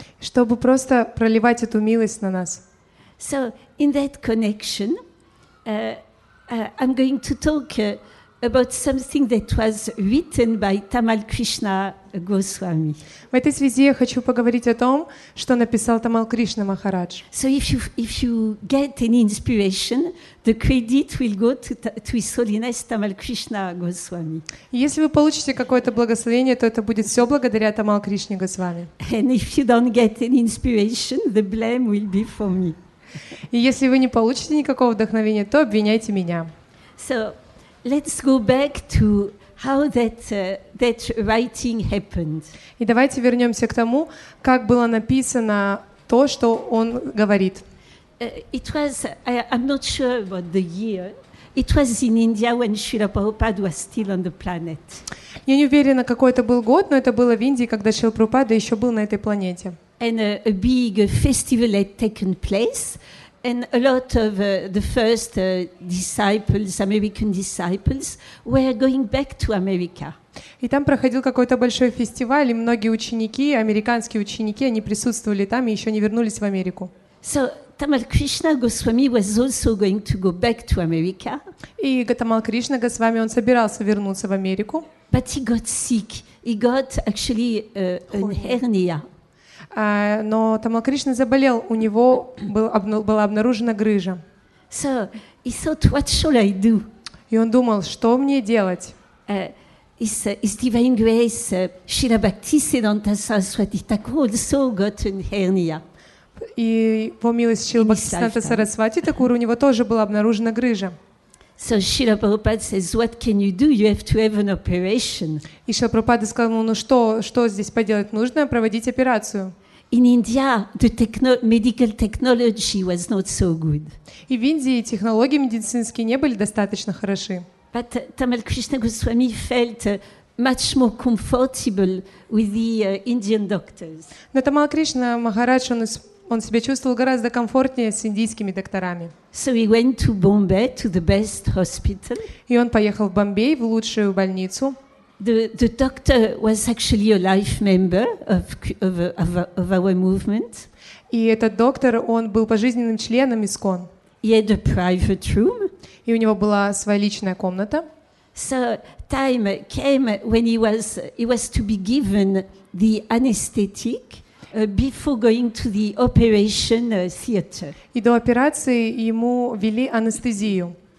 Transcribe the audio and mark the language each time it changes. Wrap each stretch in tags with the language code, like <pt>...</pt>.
<ru>Чтобы просто проливать эту милость на нас.</ru> <en>So in that connection, I'm going to talk about something that was written by Tamal Krishna Goswami.</en> <ru>В этой связи я хочу поговорить о том, что написал Тамал Кришна Махарадж.</ru> <en>So if you get any inspiration, the credit will go to His Holiness Tamal Krishna Goswami.</en> <ru>Если вы получите какое-то благословение, то это будет все благодаря Тамал Кришне Госвами.</ru> <en>And if you don't get any inspiration, the blame will be for me.</en> <ru>И если вы не получите никакого вдохновения, то обвиняйте меня.</ru> <en>So let's go back to how that writing happened.</en> <ru>И давайте вернемся к тому, как было написано то, что он говорит.</ru> <en>I'm not sure about the year. It was in India when Srila Prabhupada was still on the planet.</en> <ru>Я не уверена, какой это был год, но это было в Индии, когда Шрила Прабхупада еще был на этой планете.</ru> <en>And a big festival had taken place. And a lot of the first disciples, American disciples, were going back to America.</en> <ru>И там проходил какой-то большой фестиваль, и многие ученики, американские ученики, они присутствовали там и еще не вернулись в Америку.</ru> <en>So Tamal Krishna Goswami was also going to go back to America.</en> <ru>И Tamal Krishna Goswami, он собирался вернуться в Америку.</ru> <en>But he got sick. He got actually a hernia.</en> <ru>Но Тамал Кришна заболел, у него была обнаружена грыжа.</ru> <en>So, he thought, what shall I do?</en> <ru>И он думал, что мне делать?</ru> <en>His divine grace, Srila Bhaktisiddhanta Saraswati Thakur also got a hernia.</en> <ru>И по милости Srila Bhaktisiddhanta Saraswati Thakur, у него тоже была обнаружена грыжа.</ru> <en>So Srila Prabhupada says, what can you do? You have to have an operation.</en> <ru>И Шрила Прабхупада сказал ему, ну что здесь поделать нужно? Проводить операцию.</ru> <en>In India, the medical technology was not so good.</en> <ru>И в Индии технологии медицинские не были достаточно хороши.</ru> <en>But Tamal Krishna Goswami felt much more comfortable with the Indian doctors.</en> <ru>Но Тамал Кришна Махарадж он себя чувствовал гораздо комфортнее с индийскими докторами.</ru> <en>So he went to Bombay to the best hospital.</en> <ru>И он поехал в Бомбей в лучшую больницу.</ru> <en>The doctor was actually a life member of our movement.</en> <ru>И этот доктор, он был пожизненным членом ИСКОН.</ru> <en>He had a private room.</en> <ru>И у него была своя личная комната.</ru> <en>So time came when he was to be given the anesthetic before going to the operation theater.</en> <ru>И до операции ему ввели анестезию.</ru>